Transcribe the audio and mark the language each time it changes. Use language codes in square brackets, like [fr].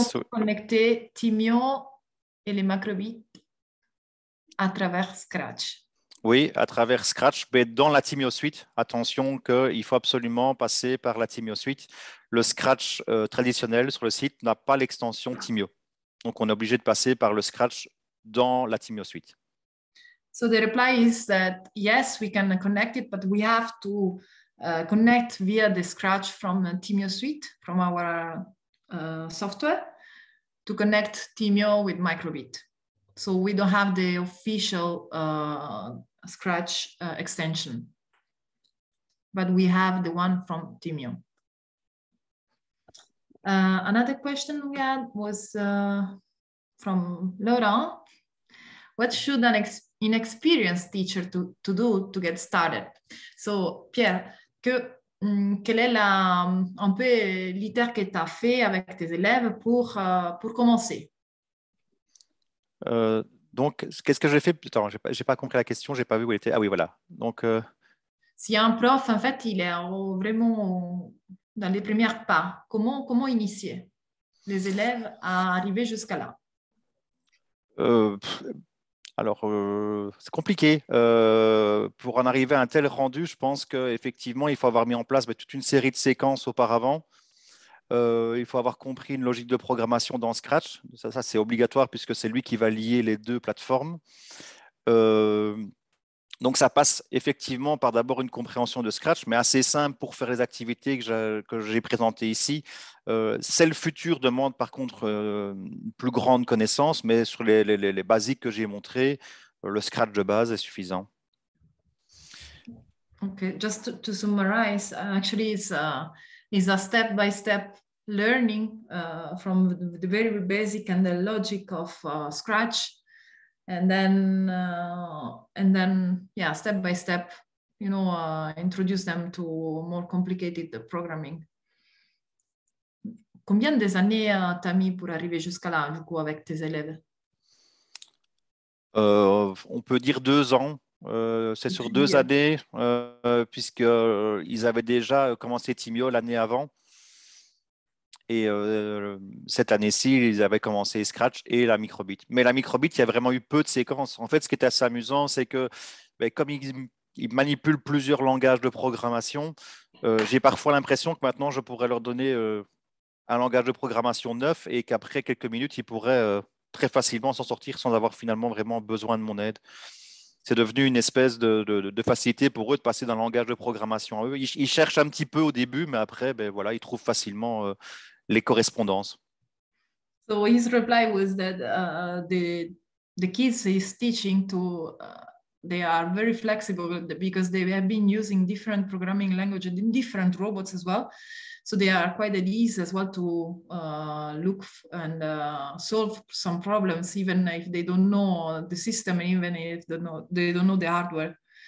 [fr] Connecter Thymio et les macrobits à travers Scratch. Oui, à travers Scratch, mais dans la Thymio Suite. Attention qu'il faut absolument passer par la Thymio Suite. Le Scratch traditionnel sur le site n'a pas l'extension Thymio. Donc, on est obligé de passer par le Scratch dans la Thymio Suite. [en] So the reply is that yes, we can connect it, but we have to connect via the Scratch from the Thymio Suite, from our software, to connect Thymio with Microbit. So we don't have the official Scratch extension, but we have the one from Thymio. Another question we had was from Laurent. What should an inexperienced teacher to do to get started? [fr] So Pierre, quelle est un peu l'iter que tu as fait avec tes élèves pour commencer? Donc, qu'est-ce que j'ai fait? Attends, j'ai pas compris la question, j'ai pas vu où elle était. Ah oui, voilà. Donc, si un prof, en fait, il est vraiment dans les premiers pas, comment initier les élèves à arriver jusqu'à là? C'est compliqué. Pour en arriver à un tel rendu, je pense qu'effectivement, il faut avoir mis en place toute une série de séquences auparavant. Il faut avoir compris une logique de programmation dans Scratch. Ça, c'est obligatoire puisque c'est lui qui va lier les deux plateformes. Donc, ça passe effectivement par d'abord une compréhension de Scratch, mais assez simple pour faire les activités que j'ai présentées ici. Celle future demande par contre une plus grande connaissance, mais sur les basiques que j'ai montrées, le Scratch de base est suffisant. [en] OK, just to summarize, actually, it's a step-by-step learning from the very basic and the logic of Scratch. And then, step by step, introduce them to more complicated programming. [fr] Combien des années t'as mis pour arriver jusqu'à là, du coup, avec tes élèves? On peut dire 2 ans. C'est sur 2 années, puisqu'ils avaient déjà commencé Thymio l'année avant. Et cette année-ci, ils avaient commencé Scratch et la Microbit. Mais la Microbit, il y a vraiment eu peu de séquences. En fait, ce qui était assez amusant, c'est que comme ils manipulent plusieurs langages de programmation, j'ai parfois l'impression que maintenant, je pourrais leur donner un langage de programmation neuf et qu'après quelques minutes, ils pourraient très facilement s'en sortir sans avoir finalement vraiment besoin de mon aide. C'est devenu une espèce de facilité pour eux de passer d'un langage de programmation à eux. Ils cherchent un petit peu au début, mais après, ils trouvent facilement les correspondances. [en] So his reply was that the kids he's teaching to they are very flexible because they have been using different programming languages in different robots as well. So they are quite at ease as well to look and solve some problems, even if they don't know the system, and even if they don't know the hardware.